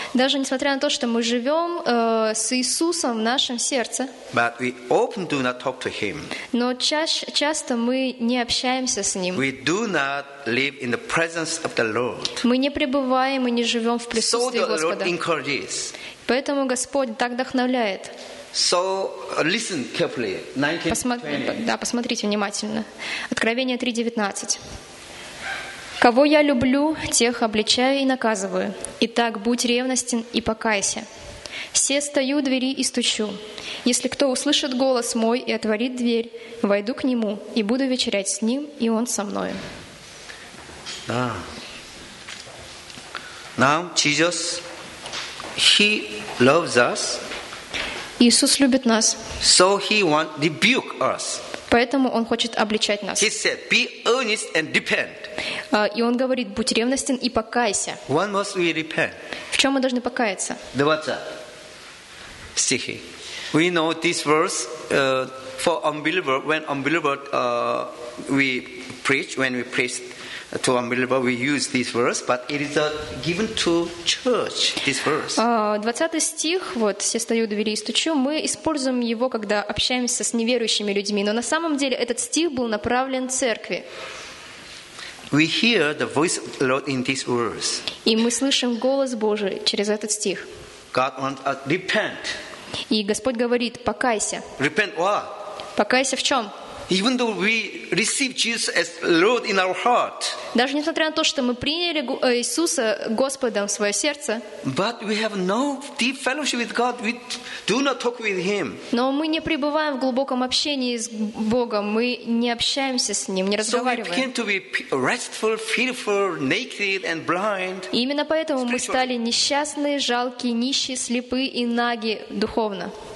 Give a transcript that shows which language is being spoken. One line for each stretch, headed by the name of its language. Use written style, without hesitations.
Russian: Даже несмотря на то, что мы живем с Иисусом в нашем сердце.
English: But we often do not talk to Him.
Russian: Но часто мы не общаемся с Ним.
English: We do not live in the presence of the Lord.
Russian: Мы не пребываем и не живем в присутствии Господа.
English: So the Lord encourages.
Russian: Поэтому Господь так вдохновляет.
English: So listen carefully. 19:20.
Russian: Да, посмотрите внимательно. Откровение 3:19. Кого я люблю, тех обличаю и наказываю. Итак, будь ревностен и покайся. Все стою у двери и стучу. Если кто услышит голос мой и отворит дверь, войду к нему и буду вечерять с ним, и он со мною.
English: Now, Jesus, he loves us.
Russian: Иисус любит нас.
English: So he wants to rebuke us.
Russian: Поэтому Он хочет обличать нас.
English: He said, be earnest and repent.
Russian: И Он говорит, будь ревностен и покайся.
English: When must we repent?
Russian: В чем мы должны покаяться? 20 стихи.
English: We know this verse for unbeliever, when unbeliever we preach to unbeliever, we use this verse, but it is given to church, this verse.
Russian: 20 стих, вот, «Все стою у двери и стучу», мы используем его, когда общаемся с неверующими людьми, но на самом деле этот стих был направлен церкви.
English: We hear the voice of the Lord in this verse.
Russian: И мы слышим голос Божий через этот стих.
English: God wants us to repent.
Russian: И Господь говорит, покайся.
English: Repent what?
Russian: Покайся в чем?
English: Even though we receive Jesus as Lord in our heart,
Russian: даже несмотря на то, что мы приняли Иисуса Господом в свое сердце,
English: but we have no deep fellowship with God. We do not talk with Him.
Russian: Но мы не пребываем в глубоком общении с Богом. Мы не общаемся с Ним, не разговариваем.
English: So we begin to be restful, fearful, naked, and blind.
Russian: И именно поэтому мы стали несчастные, жалкие, нищие, слепы и наги духовно.